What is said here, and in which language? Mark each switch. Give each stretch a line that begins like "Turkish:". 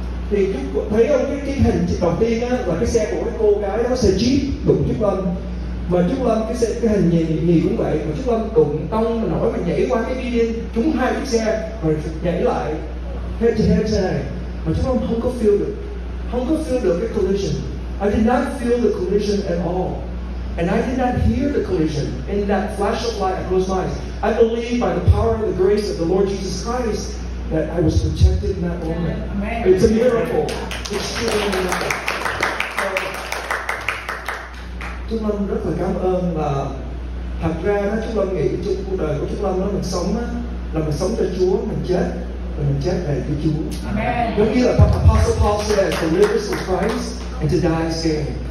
Vietnamese: Thì thấy không, cái hình đầu tiên á, là cái xe của cái cô gái đó, xe Jeep đụng chiếc lâm. Và chiếc lâm, cái xe, cái hình nhìn cũng vậy. Mà chiếc lâm đụng tông nổi mà nhảy qua cái median, trúng 2 chiếc xe rồi nhảy lại head to head xe này. Mà chiếc lâm không có feel được, không có feel được cái collision.
English: I did not feel the collision at all. And I did not hear the collision in that flash of light that closed my eyes. I believe by the power and the grace of the Lord Jesus Christ that I was protected in that moment. Amen. It's a miracle. It's truly a miracle.
Vietnamese: So, chúng con rất là cảm ơn là thật ra đó, chúng con nghĩ trong cuộc đời của chúng con đó, mình sống đó, là mình sống cho Chúa, mình chết để cho Chúa. Amen. Giống như là
English: Apostle Paul said, to live is for Christ and to die is gain.